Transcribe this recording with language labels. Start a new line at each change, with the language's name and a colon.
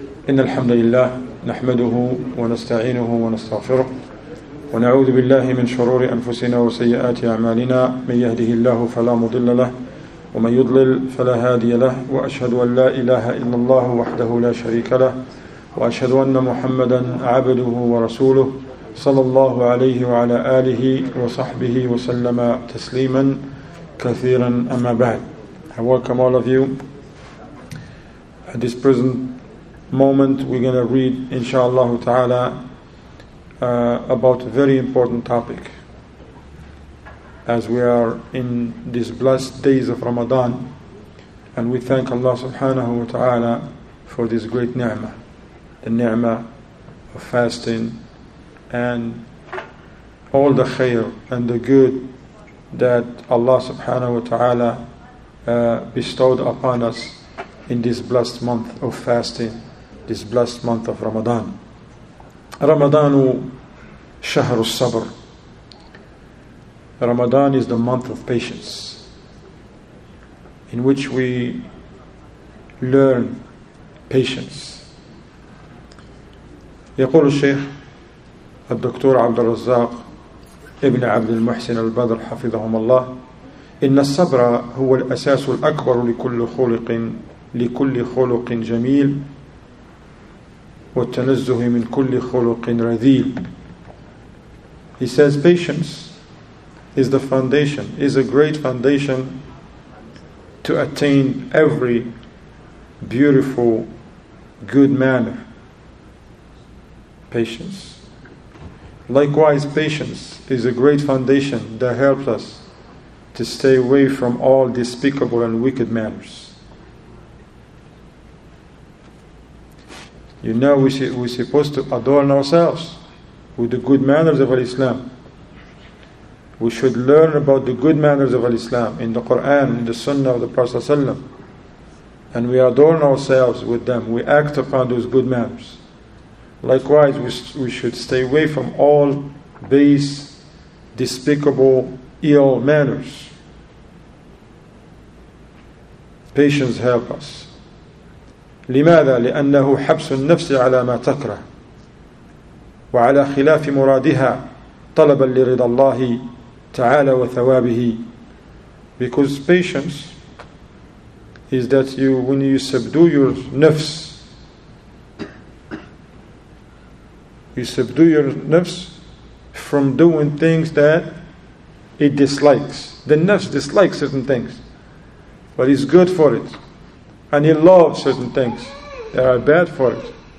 Arabic: إن الحمد لله نحمده ونستعينه ونستغفره ونعوذ بالله من شرور أنفسنا وسيئات أعمالنا، من يهده الله فلا مضل له ومن يضلل فلا هادي له، وأشهد أن لا إله إلا الله وحده لا شريك له، وأشهد أن محمدًا عبده ورسوله صلى الله عليه وعلى آله وصحبه وسلم تسليما كثيرا. أما بعد،
English: I welcome all of you at this present moment. We're going to read inshallah ta'ala about a very important topic, as we are in these blessed days of Ramadan, and we thank Allah subhanahu wa ta'ala for this great ni'mah, the ni'mah of fasting and all the khair and the good that Allah subhanahu wa ta'ala bestowed upon us in this blessed month of fasting, this blessed month of Ramadan.
Arabic: Ramadan شهر الصبر.
English: Ramadan is the month of patience, in which we learn patience.
Arabic: يقول الشيخ الدكتور عبد الرزاق ابن عبد المحسن البدر حفظهم الله: إن الصبر هو الأساس الأكبر لكل خلق جميل والتنزه من كل خلق رذيل.
English: He says patience is the foundation, is a great foundation to attain every beautiful, good manner. Patience. Likewise, patience is a great foundation that helps us to stay away from all despicable and wicked manners. You know, we're supposed to adorn ourselves with the good manners of Al-Islam. We should learn about the good manners of Al-Islam in the Quran, in the Sunnah of the Prophet ﷺ. And we adorn ourselves with them. We act upon those good manners. Likewise, we should stay away from all base, despicable, ill manners. Patience help us.
Arabic: لماذا؟ لأنه حبس النفس على ما تكره وعلى خلاف مرادها طلبا لرضا الله تعالى وثوابه.
English: Because patience is that you, when you subdue your nafs, you subdue your nafs from doing things that it dislikes. The nafs dislikes certain things, but it's good for it, and it loves certain things that are bad for it.